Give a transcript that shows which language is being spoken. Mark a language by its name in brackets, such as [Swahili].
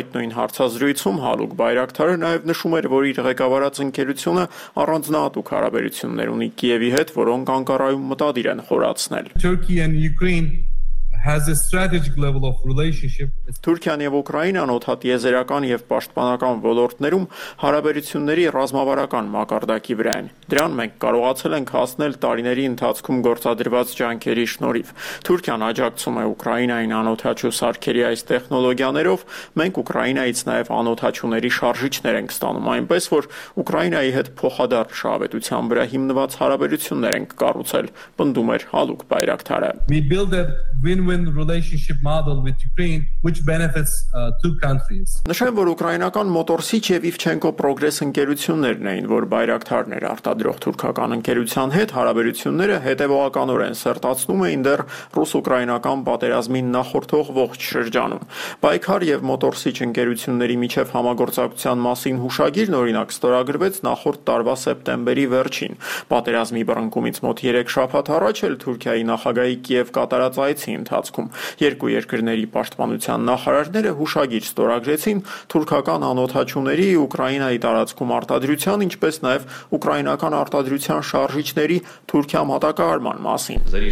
[Armenian] Այդ նույն հարցազրույցում Հալուկ Բայրակթարը նաև նշում էր, որ իր ղեկավարած ընկերությունը առանձնահատուկ հարաբերություններ ունի Կիևի հետ, որոնք Անկարայում մտադիր են խորացնել. [English] Turkey and Ukraine has a strategic level of relationship. [Armenian] Թուրքիան եւ Ուկրաինան օդատիեզերական եւ պաշտպանական ոլորտներում հարաբերությունների ռազմավարական մակարդակի վրա են։ Դրան մենք կարողացել ենք հասնել տարիների ընթացքում գործադրված ջանքերի շնորհիվ։ Թուրքիան աջակցում է Ուկրաինային անօթաչու սարքերի այս տեխնոլոգիաներով, մենք Ուկրաինայից նաև անօթաչուների շարժիչներ ենք ստանում, այնպես որ Ուկրաինայի հետ փոխադարձ շահավետության վրա հիմնված հարաբերություններ ենք կառուցել, պնդում էր Հալուկ Բայրակթարը։ [English] We build a win-win relationship model with Ukraine which benefits two countries. [Armenian] Նշեմ, որ ուկրաինական Մոտորսիչ եւ Իվչենկո Պրոգրես ընկերություններն էին, որ Բայրակթարներ արտադրող թուրքական ընկերության հետ հարաբերությունները հետևողականորեն սերտացնում էին դեռ ռուս-ուկրաինական պատերազմին նախորդող ողջ շրջանում։ Պայքար եւ Մոտորսիչ ընկերությունների միջև համագործակցության մասին հուշագիրն օրինակ ստորագրվեց նախորդ տարվա սեպտեմբերի վերջին։ Պատերազմի բռնկումից մոտ 3 շաբաթ առաջ էլ Թուրքիայի նախագահի Կիև կատարած այցի ընթացքում երկու երկրների պաշտպանության նախարարները հուշագիր ստորագրեցին թուրքական անօթաչուների Ուկրաինայի տարածքում արտադրության, ինչպես նաև ուկրաինական արտադրության շարժիչների Թուրքիա մատակարարման մասին։